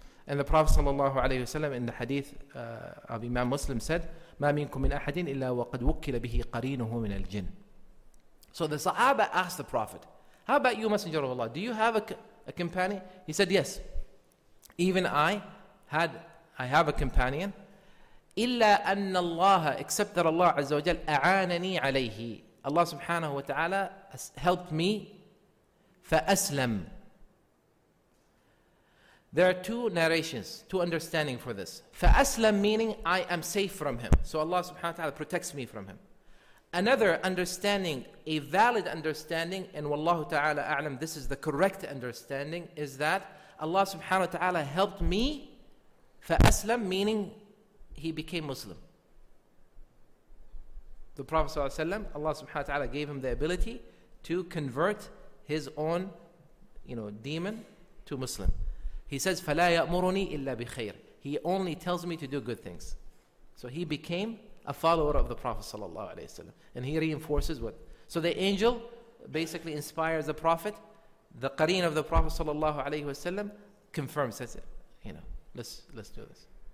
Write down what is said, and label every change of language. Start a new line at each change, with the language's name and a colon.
English: And the Prophet sallallahu alayhi wasallam in the hadith of Imam Muslim said,
Arabic: مَا مِنْكُمْ مِنْ أَحَدٍ إِلَّا وَقَدْ وُكِّلَ بِهِ قَرِينُهُ مِنَ الْجِنِ.
English: So the Sahaba asked the Prophet, how about you, Messenger of Allah? Do you have a companion? He said, yes. Even I have a companion.
Arabic: إِلَّا أَنَّ اللَّهَ,
English: except that Allah
Arabic: عز وجل أَعَانَنِي عَلَيْهِ.
English: Allah subhanahu wa ta'ala helped me, فَأَسْلَمْ. There are two narrations, two understanding for this. فَأَسْلَمْ, meaning I am safe from him. So Allah subhanahu wa ta'ala protects me from him. Another understanding, a valid understanding, and wallahu ta'ala a'lam, this is the correct understanding, is that Allah subhanahu wa ta'ala helped me, فَأَسْلَمْ, meaning he became Muslim. The Prophet sallallahu alayhi wa sallam, Allah subhanahu wa ta'ala gave him the ability to convert his own, you know, demon to Muslim. He says,
Arabic: فَلَا يَأْمُرُنِي إِلَّا بِخَيْرٍ.
English: He only tells me to do good things. So he became a follower of the Prophet sallallahu alayhi wa sallam. And he reinforces what. So the angel basically inspires the Prophet. The qareen of the Prophet sallallahu alayhi wa sallam confirms, says, you know, let's do this.